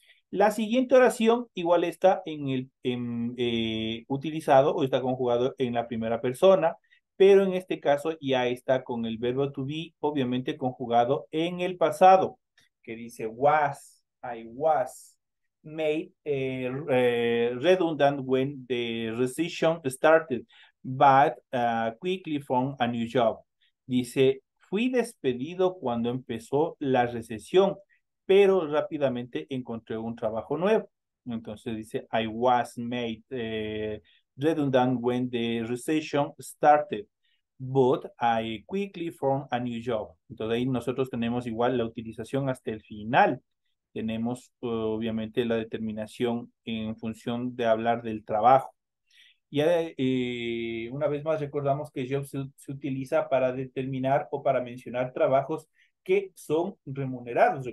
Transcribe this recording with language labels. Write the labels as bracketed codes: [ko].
[es] La siguiente oración igual está utilizado o está conjugado en la primera persona, pero en este caso ya está con el verbo to be, obviamente conjugado en el pasado, que dice was, [en] I was made redundant when the recession started, but quickly found a new job. [es] Dice, Fui despedido cuando empezó la recesión, pero rápidamente encontré un trabajo nuevo. Entonces dice, [en] I was made redundant when the recession started, but I quickly found a new job. [es] Entonces ahí nosotros tenemos igual la utilización hasta el final. Tenemos obviamente la determinación en función de hablar del trabajo. Ya una vez más recordamos que job se utiliza para determinar o para mencionar trabajos que son remunerados.